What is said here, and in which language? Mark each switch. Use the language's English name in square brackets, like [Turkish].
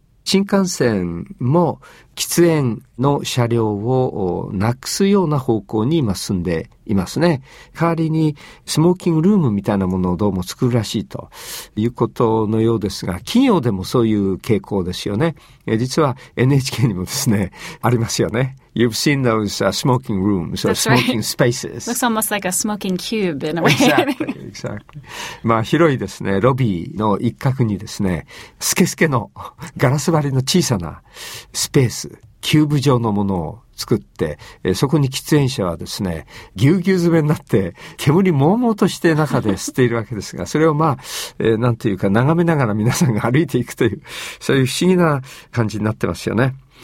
[Japanese] 新幹線も喫煙の車両をなくすような方向に今進んでいますね。代わりにスモーキングルームみたいなものをどうも作るらしいということのようですが、企業でもそういう傾向ですよね。実は NHK にもですね、ありますよね。 [English] You've seen those smoking rooms or smoking spaces. That's right. Looks almost like a smoking cube in a way. Exactly. [Japanese] まあ広いですね、ロビーの一角にですね、スケスケのガラス張りの小さなスペース、キューブ状のものを作って、そこに喫煙者はですね、ぎゅうぎゅう詰めになって、煙もうもうとして中で吸っているわけですが、それをまあ、なんというか眺めながら皆さんが歩いていくという、そういう不思議な感じになってますよね。